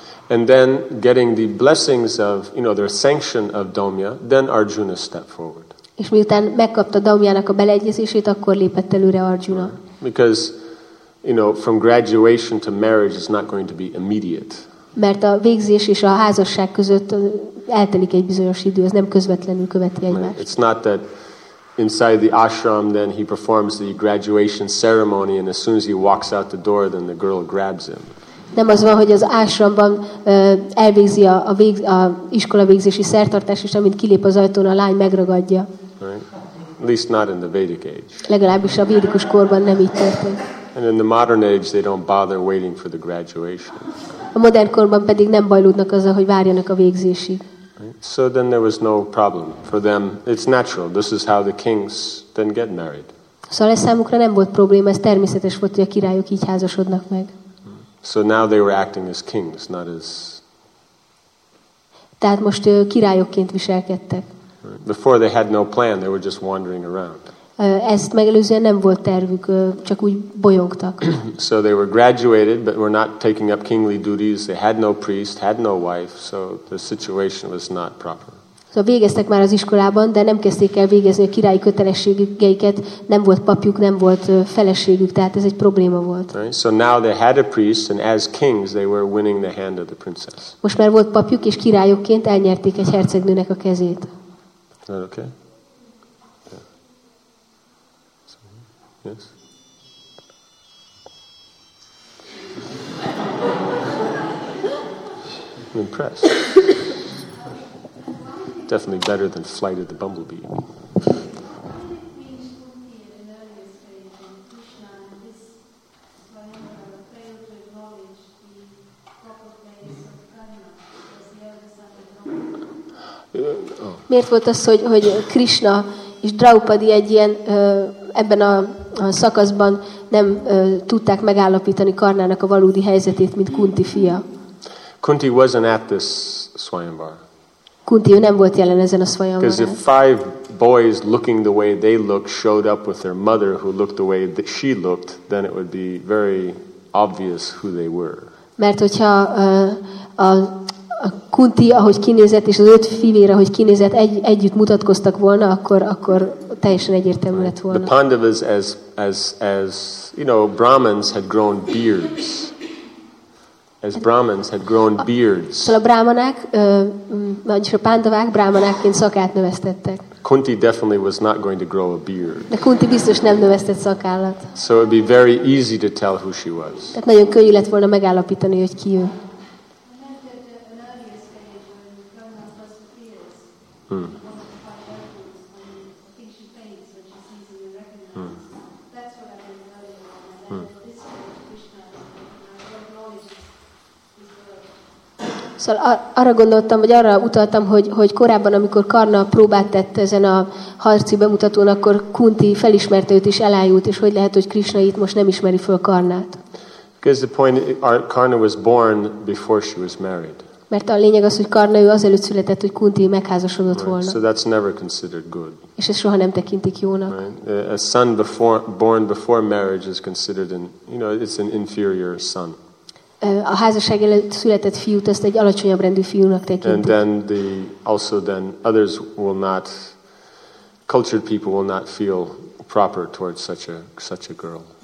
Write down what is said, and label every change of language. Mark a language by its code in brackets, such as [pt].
[en] And then getting the blessings of, you know, the sanction of Domya, then Arjuna stepped forward. [hu] És miután megkapta Daumyának a beleegyezését, akkor lépett előre Arjuna. [en] Because, you know, from graduation to marriage is not going to be immediate. [hu] Mert a végzés és a házasság között eltelik egy bizonyos idő, ez nem közvetlenül követi egymást. [en] It's not that inside the ashram then he performs the graduation ceremony and as soon as he walks out the door then the girl grabs him. [hu] Nem az van, hogy az ásramban elvégzi a iskola végzési szertartás, és amint kilép az ajtón, a lány megragadja. [en] Right. At least not in the Vedic age. [hu] Legalábbis a védikus korban nem így történt. [en] And in the modern age, they don't bother waiting for the graduation. [hu] A modern korban pedig nem bajlódnak azzal, hogy várjanak a végzési. [en] Right. So then there was no problem for them. It's natural. This is how the kings then get married. [hu] Szóval ez számukra nem volt probléma. Ez természetes volt, hogy a királyok így házasodnak meg. [en] So now they were acting as kings, not as. [hu] Tehát most királyokként viselkedtek. [en] Before they had no plan, they were just wandering around. [hu] Ezt megelőzően nem volt tervük, csak úgy bolyogtak. [en] So they were graduated, but were not taking up kingly duties. They had no priest, had no wife, so the situation was not proper. [hu] Szóval végeztek már az iskolában, de nem kezdték el végezni a királyi kötelességeiket, nem volt papjuk, nem volt feleségük, tehát ez egy probléma volt. [en] So now they had a priest and as kings they were winning the hand of the princess. [hu] Most már volt papjuk és királyokként elnyerték egy hercegnőnek a kezét. [en] Is that okay? Yeah. Yes. I'm impressed. Definitely better than Flight of the Bumblebee. [hu] Miért volt az, hogy Krishna és Draupadi egy ilyen ebben a szakaszban nem tudták megállapítani Karnának a valódi helyzetét, mint Kunti fia? [en] Kunti wasn't at this Swayamvar. [hu] Kunti nem volt jelen ezen a szvajamban. [en] Because if five boys looking the way they look showed up with their mother who looked the way that she looked, then it would be very obvious who they were. [hu] Mert hogyha a Kunti ahogy kinézett és az öt fivére ahogy kinézett együtt mutatkoztak volna, akkor teljesen egyértelmű lett volna. [en] The Pandavas as you know, Brahmins had grown beards. As Brahmins had grown beards. [hu] Szóval a brahmanák, vagyis a pándavák brahmanákként szakállat növesztettek. [en] Kunti definitely was not going to grow a beard. [hu] De Kunti biztos nem növesztett szakállat. [en] So it'd be very easy to tell who she was. [hu] Tehát nagyon könnyű lett volna megállapítani, hogy ki ő. Hmm. Szóval arra gondoltam, vagy arra utaltam, hogy korábban, amikor Karna próbát tett ezen a harci bemutatón, akkor Kunti felismerte őt és elájult, és hogy lehet, hogy Krishna itt most nem ismeri föl Karnát. [en] Because the point, Karna was born before she was married. [hu] Mert a lényeg az, hogy Karna ő azelőtt született, hogy Kunti megházasodott [en] right. [hu] volna. [en] So that's never considered good. [hu] És ez soha nem tekintik jónak. [en] Right. A son born before marriage is considered it's an inferior son. [hu] A házasság előtt született fiút ezt egy alacsonyabb rendű fiúnak tekintik. [en] And then then others will not, cultured people will not feel proper towards such a girl.